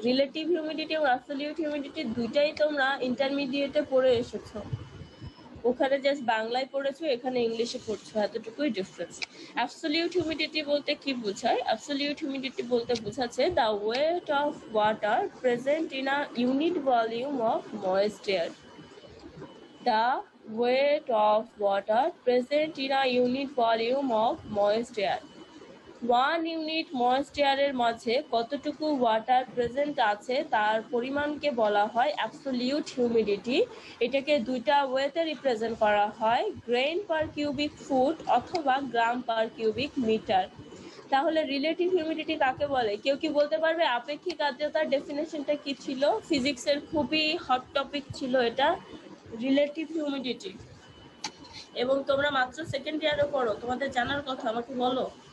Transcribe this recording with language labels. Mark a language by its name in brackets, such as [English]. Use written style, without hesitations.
[Bangla] Relative humidity এবং absolute humidity দুইটাই তোমরা ইন্টারমিডিয়েটে পড়ে এসেছো, ওখানে জাস্ট বাংলায় পড়েছো, এখানে ইংলিশে পড়ছো, এতটুকুই ডিফারেন্স। অ্যাবসোলিউট হিউমিডিটি বলতে কি বোঝায়? অ্যাবসোলিউট হিউমিডিটি বলতে বোঝাচ্ছে [English] The weight of water present in a unit volume of moist air. Weight of water present in a unit volume of moist air. [Bangla] One unit moist air এর মধ্যে কতটুকু water present আছে তার পরিমাণকে বলা হয় absolute humidity. এটাকে দুইটা ওয়েতে রিপ্রেজেন্ট করা হয়, grain per cubic foot অথবা gram per cubic meter. তাহলে রিলেটিভ হিউমিডিটি কাকে বলে? কেউ কি বলতে পারবে আপেক্ষিক আর্দ্রতার ডেফিনেশনটা কি ছিল? ফিজিক্স এর খুবই হট টপিক ছিল এটা, রিলেটিভ হিউমিডিটি। এবং তোমরা মাত্র সেকেন্ড ইয়ারে পড়ো, তোমাদের জানার কথা, আমাকে বলো।